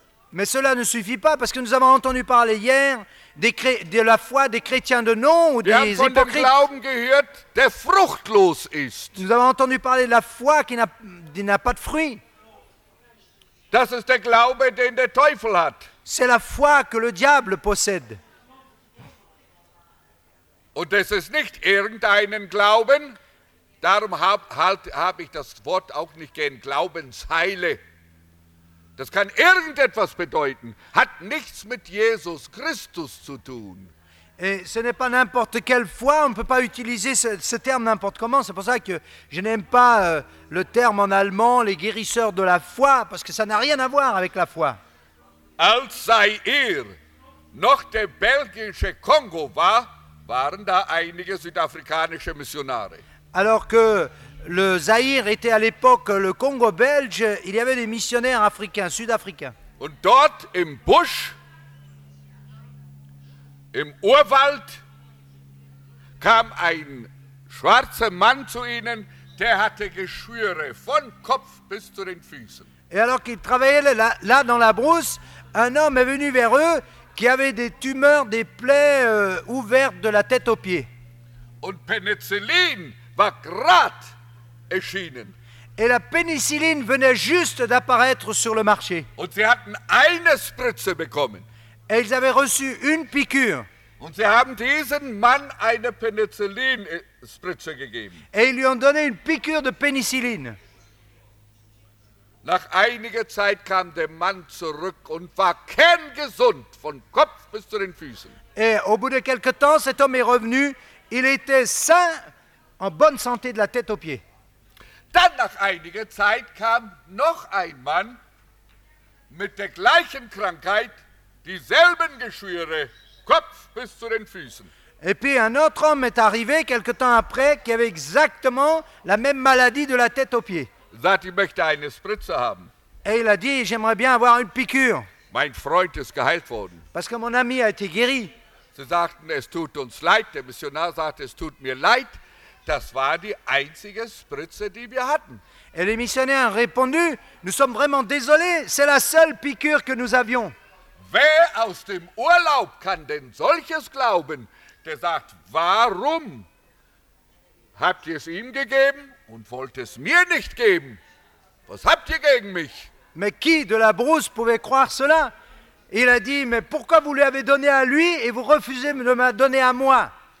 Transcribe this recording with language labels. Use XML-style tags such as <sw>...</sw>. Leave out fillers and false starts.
<fr>Mais cela ne suffit pas parce que nous avons entendu parler hier de la foi des chrétiens de nom ou des hypocrites.</fr> <de>Wir haben von dem Glauben gehört, der fruchtlos ist.</de> <fr>Nous avons entendu parler de la foi qui n'a pas de fruit.</fr> <de>Das ist der Glaube, den der Teufel hat.</de> <fr>C'est la foi que le diable possède.</fr> <de>Und es ist nicht irgendeinen Glauben, darum hab ich das Wort auch nicht gern, Glaubensheile. Das kann irgendetwas bedeuten, hat nichts mit Jesus Christus zu tun.</de> <fr>Et ce n'est pas n'importe quelle foi, on ne peut pas utiliser ce terme n'importe comment, c'est pour ça que je n'aime pas le terme en allemand, les guérisseurs de la foi, parce que ça n'a rien à voir avec la foi.</fr> <de>Als sei ihr noch der belgische Kongo war, waren da einige südafrikanische Missionare.</de> <fr>Alors que le Zaïre était à l'époque le Congo belge, il y avait des missionnaires africains, sud-africains.</fr> <de>Und dort im Busch, im Urwald, kam ein schwarzer Mann zu ihnen, der hatte Geschwüre von Kopf bis zu den Füßen.</de> <fr>Et alors qu'il travaillait là dans la brousse, un homme est venu vers eux qui avait des tumeurs, des plaies ouvertes de la tête aux pieds.</fr> <de>Und Penicillin war grad erschienen.</de> <fr>Et la pénicilline venait juste d'apparaître sur le marché.</fr> <de>Und sie hatten eine Spritze bekommen.</de> <fr>Et ils avaient reçu une piqûre.</fr> <de>Und sie haben diesen Mann eine Penicillin-Spritze gegeben.</de> <fr>Et ils lui ont donné une piqûre de pénicilline.</fr> <de>Nach einiger Zeit kam der Mann zurück und war kerngesund von Kopf bis zu den Füßen.</de> <fr>Et au bout de quelques temps, cet homme est revenu. Il était sain, en bonne santé de la tête aux pieds.</fr> <de>Dann nach einiger Zeit kam noch ein Mann mit der gleichen Krankheit, dieselben Geschwüre, Kopf bis zu den Füßen.</de> <fr>Et puis un autre homme est arrivé quelque temps après qui avait exactement la même maladie de la tête aux pieds.</fr> <de>Sagt, ich möchte eine Spritze haben.</de> <fr>Et il a dit, j'aimerais bien avoir une piqûre.</fr> <de>Mein Freund ist geheilt worden.</de> <fr>Parce que mon ami a été guéri.</fr> <de>Sie sagten, es tut uns leid. Der Missionar sagte, es tut mir leid. Das war die einzige Spritze, die wir hatten.</de> <fr>Et les missionnaires ont répondu, nous sommes vraiment désolés, c'est la seule piqûre que nous avions.</fr> <de>Wer aus dem Urlaub kann denn solches glauben, der sagt, warum habt ihr es ihm gegeben und wollt es mir nicht geben? Was habt ihr gegen mich?</de> <fr>Mais qui de la brousse pouvait croire cela? Il a dit, mais pourquoi vous lui avez donné à lui et vous refusez de me donner à moi?</fr>